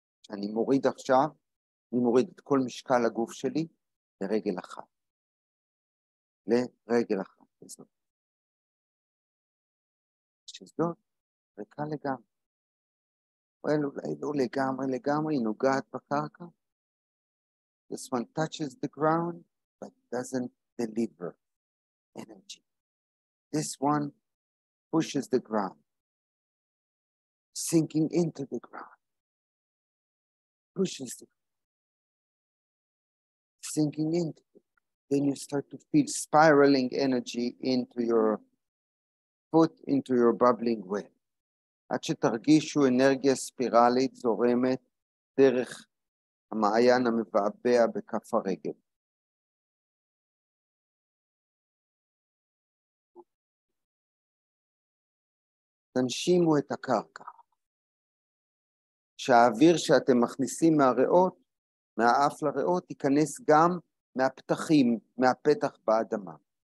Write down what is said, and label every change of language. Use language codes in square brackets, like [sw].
[he] אני מוריד עכשיו, אני מוריד את כל משקל הגוף שלי לרגל אחת. לרגל אחת. וזאת. שזאת ריקה לגמרי. אולי לא לגמרי, לגמרי, היא נוגעת בקרקע. [en] This one touches the ground, but doesn't deliver energy. This one pushes the ground, sinking into the ground. Pushes the ground, sinking into the ground. Then you start to feel spiraling energy into your foot, into your bubbling well. [he] עד שתרגישו אנרגיה ספירלית זורמת דרך המעיין המבעבע בכף הרגל. תנשימו את הקרקע. שהאוויר שאתם מכניסים מהריאות, מהאף לריאות, ייכנס גם מהפתחים, מהפתח באדמה.